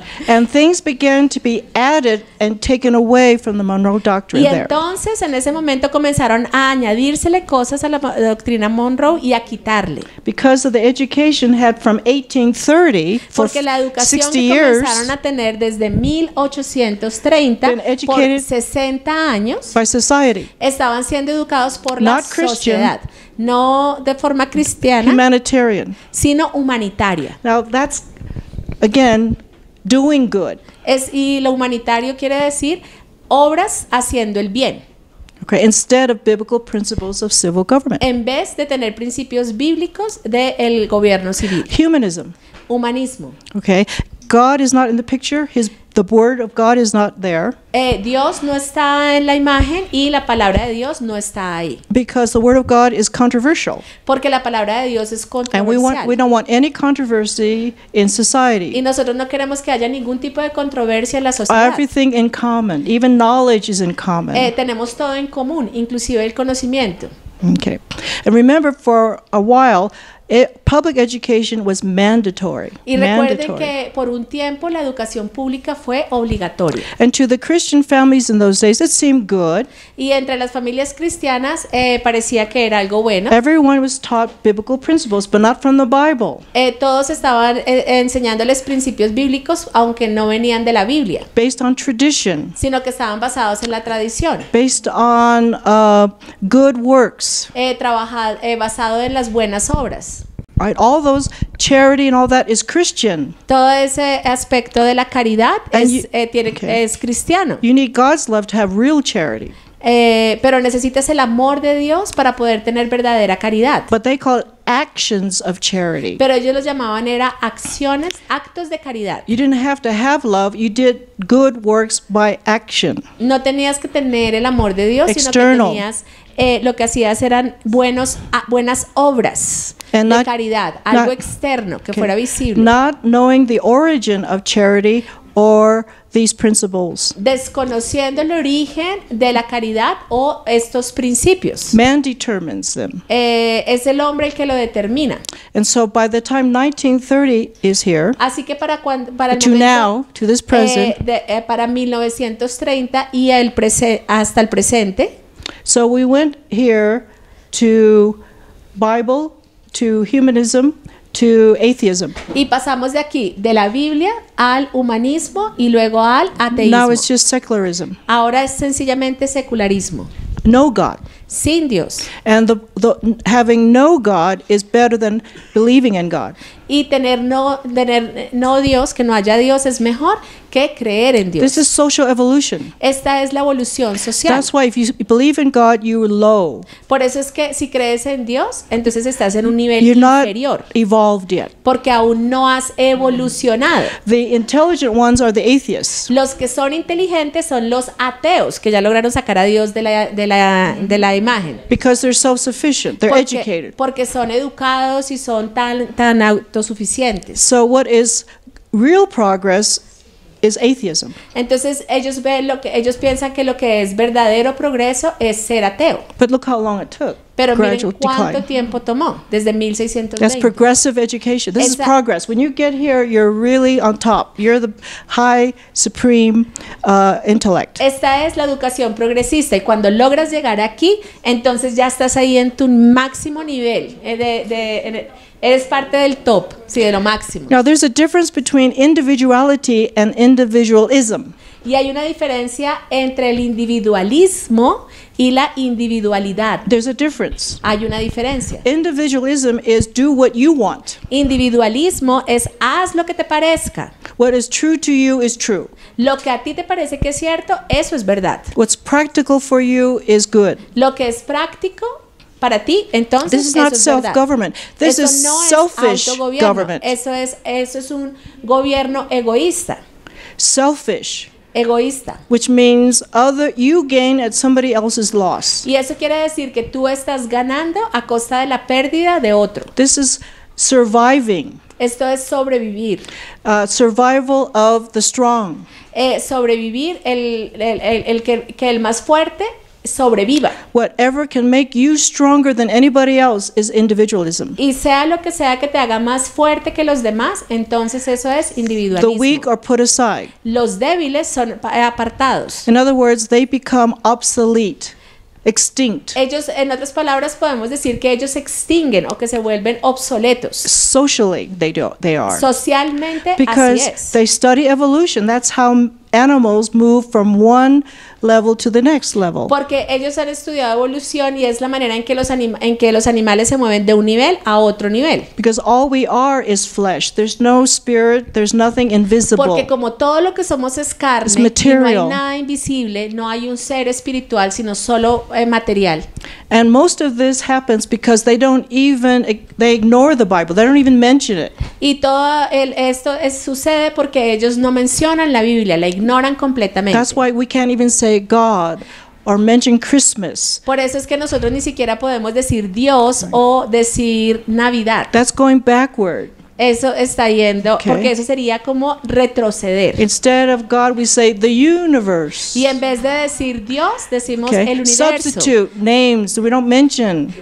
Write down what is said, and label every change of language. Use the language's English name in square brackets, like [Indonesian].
[English] And things began to be added and taken away from the Monroe Doctrine there. [Spanish] Y entonces, en ese momento, comenzaron a añadírsele cosas a la doctrina Monroe y a quitarle. [English] Because of the education had from 1830 for 60 years. [Spanish] Porque la educación que comenzaron a tener desde 1830 por 60 años. [English] By society. [Spanish] Estaban siendo educados por la sociedad. No de forma cristiana. [English] Humanitarian. [Spanish] Sino humanitaria. [English] Now that's, again, doing good. [Spanish] Es, y lo humanitario quiere decir obras haciendo el bien. [English] Okay, instead of biblical principles of civil government. [Spanish] En vez de tener principios bíblicos del gobierno civil. [English] Humanism. [Spanish] Humanismo. [English] Okay. God is not in the picture. The word of God is not there. [Spanish] Dios no está en la imagen y la palabra de Dios no está ahí. [English] Because the word of God is controversial. [Spanish] Porque la palabra de Dios es controversial. [English] And we don't want any controversy in society. [Spanish] Y nosotros no queremos que haya ningún tipo de controversia en la sociedad. [English] Everything in common, even knowledge is in common. [Spanish] Tenemos todo en común, inclusive el conocimiento. [English] Okay. And remember, for a while, public education was mandatory. [Spanish] Y recuerden [English] mandatory. [Spanish] Que por un tiempo la educación pública fue obligatoria. [English] And to the Christian families in those days, it seemed good. [Spanish] Y entre las familias cristianas parecía que era algo bueno. [English] Everyone was taught biblical principles, but not from the Bible. [Spanish] Todos estaban enseñándoles principios bíblicos, aunque no venían de la Biblia. [English] Based on tradition. [Spanish] Sino que estaban basados en la tradición. [English] Based on good works. [Spanish] Basado en las buenas obras. [English] Right, all those charity and all that is Christian. [Spanish] Todo ese aspecto de la caridad es cristiano. [English] You need God's love to have real charity. [Spanish] Pero necesitas el amor de Dios para poder tener verdadera caridad. [English] But they call it actions of charity. [Spanish] Pero ellos los llamaban era acciones, actos de caridad. [English] You didn't have to have love. You did good works by action. [Spanish] No tenías que tener el amor de Dios, [English] external. [Spanish] Sino que tenías lo que hacías eran buenas obras. [English] And not, [Spanish] de caridad, algo [English] not, [Spanish] externo que okay. fuera visible. [English] Not knowing the origin of charity or these principles. [Spanish] Desconociendo el origen de la caridad o estos principios. [English] Man determines them. [Spanish] Es el hombre el que lo determina. [English] And so by the time 1930 is here. [Spanish] Así que para cuando para [English] to [Spanish] momento, [English] now to this present. [Spanish] Para 1930 y el hasta el presente. [English] So we went here to Bible. To humanism, to atheism. [Spanish] Y pasamos de aquí, de la Biblia al humanismo y luego al ateísmo. [English] Now it's just secularism. [Spanish] Ahora es sencillamente secularismo. [English] No God. [Spanish] Sin Dios. [English] And the having no God is better than believing in God. [Spanish] Y tener no Dios, que no haya Dios, es mejor que creer en Dios. [English] This is social evolution. [Spanish] Esta es la evolución social. [English] That's why if you believe in God, you're low. [Spanish] Por eso es que si crees en Dios, entonces estás en un nivel [English] you're [Spanish] inferior. [English] Not evolved yet. [Spanish] Porque aún no has evolucionado. [English] The intelligent ones are the atheists. [Spanish] Los que son inteligentes son los ateos, que ya lograron sacar a Dios de la imagen. [English] Because they're self-sufficient. They're [Spanish] porque, [English] educated. [Spanish] Porque son educados y son tan autosuficientes. [English] So what is real progress is atheism. [Spanish] Entonces ellos ven lo que ellos piensan que lo que es verdadero progreso es ser ateo. [English] But look how long it took. [Spanish] Pero miren cuánto decline. Tiempo tomó, desde 1620. [English] That's progressive education. This is progress. When you get here, you're really on top. You're the high supreme intellect. [Spanish] Esta es la educación progresista y cuando logras llegar aquí, entonces ya estás ahí en tu máximo nivel eres parte del top, sí, de lo máximo. [English] Now there's a difference between individuality and individualism. [Spanish] Y hay una diferencia entre el individualismo y la individualidad. [English] There's a difference. [Spanish] Hay una diferencia. [English] Individualism is do what you want. [Spanish] Individualismo es haz lo que te parezca. [English] What is true to you is true. [Spanish] Lo que a ti te parece que es cierto, eso es verdad. [English] What's practical for you is good. [Spanish] Lo que es práctico para ti, entonces [English] this is not self-government. This is selfish government. [Spanish] Eso es un gobierno egoísta. [English] Selfish. [Spanish] Egoísta. [English] Which means other you gain at somebody else's loss. [Spanish] Y eso quiere decir que tú estás ganando a costa de la pérdida de otro. [English] This is surviving. [Spanish] Esto es sobrevivir. [English] Survival of the strong. [Spanish] Sobrevivir el que el más fuerte sobreviva. [English] Whatever can make you stronger than anybody else is individualism. [Spanish] Y sea lo que sea que te haga más fuerte que los demás, entonces eso es individualismo. [English] The weak are put aside. [Spanish] Los débiles son apartados. [English] In other words, they become obsolete, extinct. [Spanish] Ellos, en otras palabras, podemos decir que ellos se extinguen o que se vuelven obsoletos. [English] Socially, they are. [Spanish] Socialmente, así es. [English] Because they study evolution. That's how animals move from one level to the next level. [Spanish] Porque ellos han estudiado evolución y es la manera en que los animales se mueven de un nivel a otro nivel. [English] Because all we are is flesh. There's no spirit, there's nothing invisible. [Spanish] Porque como todo lo que somos es carne, [English] it's material. [Spanish] Y no hay nada invisible, no hay un ser espiritual, sino solo material. [English] And most of this happens because they ignore the Bible. They don't even mention it. [Spanish] Y todo esto sucede porque ellos no mencionan la Biblia, la ignoran completamente. [English] That's why we can't even say God or mention Christmas. [Spanish] Por eso es que nosotros ni siquiera podemos decir Dios o decir Navidad. [English] That's going backward. [Spanish] Eso está yendo, okay. Porque eso sería como retroceder. [English] Instead of God, we say the universe. [Spanish] Y en vez de decir Dios, decimos okay. El universo. [English] Substitute names, we don't mention.